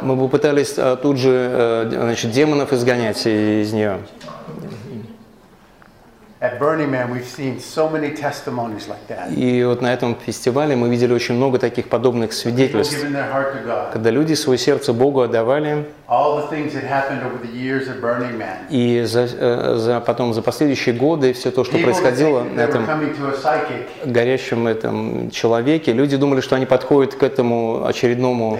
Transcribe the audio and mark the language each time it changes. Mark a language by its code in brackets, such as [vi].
[ru] Мы бы пытались тут же, значит, демонов изгонять из нее. [en] At Burning Man, we've seen so many testimonies like that. [ru] И вот на этом фестивале мы видели очень много таких подобных свидетельств. [en] People giving their heart to God. [ru] Когда люди свое сердце Богу отдавали. [en] All the things that happened over the years at Burning Man. [ru] И за последующие годы все то, что происходило на этом горящем этом человеке, люди думали, что они подходят к этому очередному.